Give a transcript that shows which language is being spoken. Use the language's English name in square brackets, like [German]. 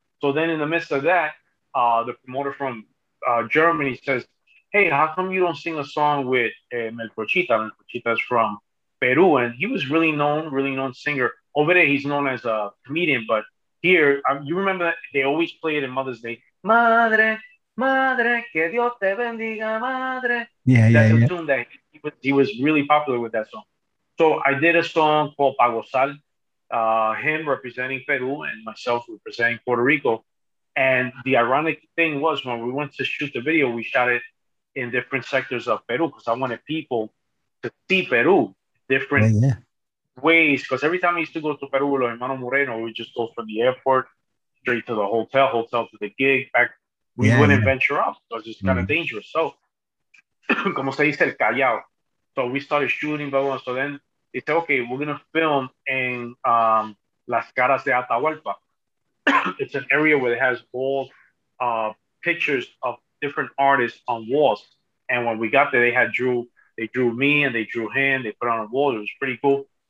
[English] So then in the midst of that, the promoter from Germany says, hey, how come you don't sing a song with Melcochita? Melcochita's from Peru, and he was really known singer. Over there, he's known as a comedian, but here, you remember that they always play it in Mother's Day. [Spanish] Madre, madre, que Dios te bendiga, madre. [English] Yeah. Tune that he was really popular with that song. So I did a song called Pagosal, him representing Peru and myself representing Puerto Rico. And the ironic thing was when we went to shoot the video, we shot it in different sectors of Peru because I wanted people to see Peru. Different ways, because every time I used to go to Peru with Hermano Moreno, we just go from the airport straight to the hotel to the gig. Back, we wouldn't venture out because it's kind of dangerous. So, [Spanish] como se dice el callao. [English] So we started shooting, blah, blah, blah. So then they said, okay, we're gonna film in Las Caras de Atahualpa. It's an area where it has all pictures of different artists on walls. And when we got there, they drew me and they drew him. They put on a wall. It was pretty cool.